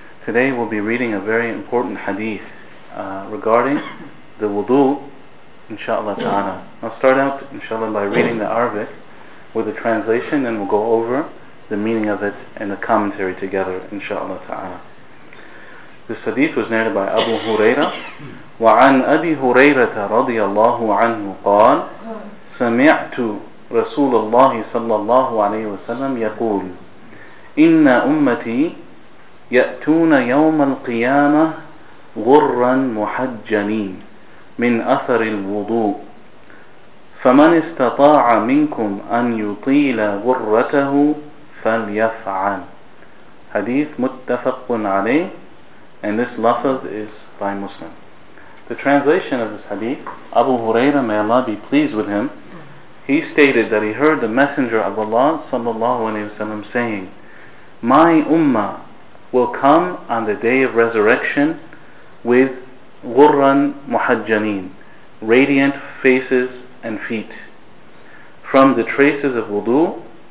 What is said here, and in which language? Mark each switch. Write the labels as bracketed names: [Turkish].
[English] Today we'll be reading a very important hadith regarding the wudu, inshallah ta'ala. I'll start out, inshallah, by reading the Arabic with a translation, and we'll go over the meaning of it and the commentary together, inshallah ta'ala. This hadith was narrated by Abu Huraira. [Arabic] وعن أبي هريرة رضي الله عنه قال سمعت رسول الله صلى الله عليه وسلم يقول إن أمتي يأتون يوم القيامة غرا محجلين من أثر الوضوء فمن استطاع منكم أن يطيل غرته فليفعل. حديث متفق عليه. [English] And this lafaz is by Muslim. The translation of this hadith, Abu Huraira, may Allah be pleased with him, he stated that he heard the Messenger of Allah sallallahu alayhi wa sallam saying, my ummah will come on the day of resurrection with ghurran muhajjaneen, radiant faces and feet, from the traces of wudu.